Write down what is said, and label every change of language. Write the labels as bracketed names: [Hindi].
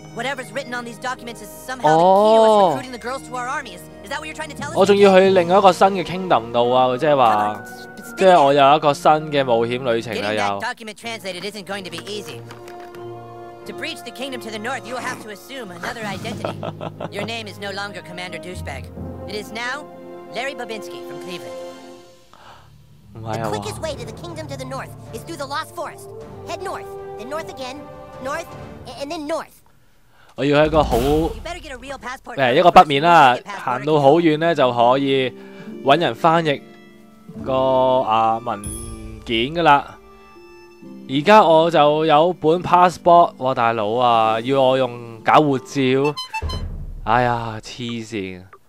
[English] Whatever's written on these documents is somehow the key to recruiting the girls to our army. Is that what you're trying to tell us? [Cantonese] 我仲要去另一個新嘅 kingdom 度啊！即係話，即係我有一個新嘅冒險旅程啦。又 [English] Getting that document translated isn't going to be easy. To breach the kingdom to the north, you will have to assume another identity. Your name is no longer Commander Douchebag. It is now Larry Babinski from Cleveland. The quickest way to the kingdom to the north is through the Lost Forest. Head north, then north again, north, and then north. [Cantonese] 我要一个好诶一个北面啦，行到好远咧就可以揾人翻译个文件噶啦。而家我就有本 passport， 哇大佬啊，要我用假护照，哎呀黐线！